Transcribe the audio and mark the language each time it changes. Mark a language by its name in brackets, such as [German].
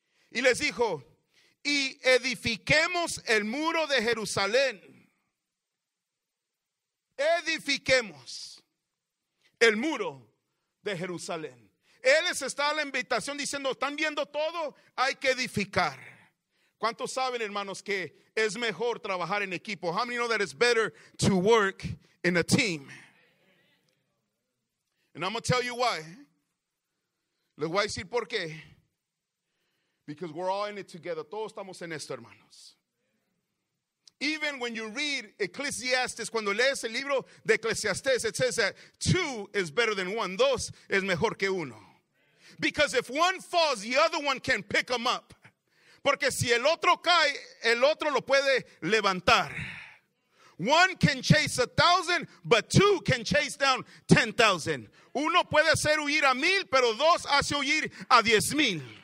[Spanish] Y les dijo, y edifiquemos el muro de Jerusalén. Edifiquemos. El muro de Jerusalén. Él les está a la invitación diciendo, están viendo todo, hay que edificar. ¿Cuántos saben, hermanos, que es mejor trabajar en equipo? [English] How many know that it's better to work in a team? And I'm going to tell you why. [Spanish] Les voy a decir por qué. [English] Because we're all in it together. [Spanish] Todos estamos en esto, hermanos. [English] Even when you read Ecclesiastes, [Spanish] cuando lees el libro de Ecclesiastes, [English] it says that two is better than one. [Spanish] Dos es mejor que uno. [English] Because if one falls, the other one can pick him up. [Spanish] Porque si el otro cae, el otro lo puede levantar. [English] One can chase 1,000, but two can chase down 10,000. [Spanish] Uno puede hacer huir a 1,000, pero dos hace huir a 10,000.